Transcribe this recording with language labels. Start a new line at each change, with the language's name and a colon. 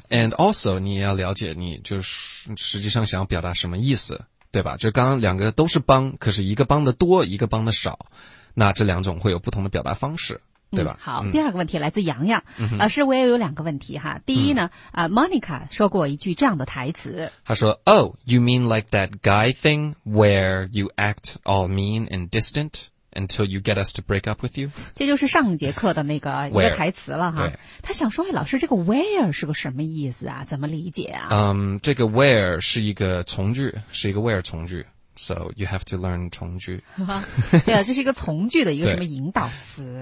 English: yeah, and also
Chinese: 你也要了解你就是实际上想要表达什么意思，对吧，就刚刚两个都是帮，可是一个帮的多一个帮的少，那这两种会有不同的表达方式，对吧、嗯、好，第二个问题来自洋洋、嗯、老师我也有两个问题哈。第一呢、嗯、Monica 说过一句这样的台词，他说
English: Oh, you mean like that guy thing where you act all mean and distant until you get us to break up with you?
Chinese: 这就是上节课的那个一个台词了哈。对，他想说、哎、老师这个 where 是个什么意思啊，怎么理解啊、这个 where 是一个从句，是一个 where 从句，
English: So you have to learn
Chinese: 从句对啊，这是一个从句的一个什么引导词。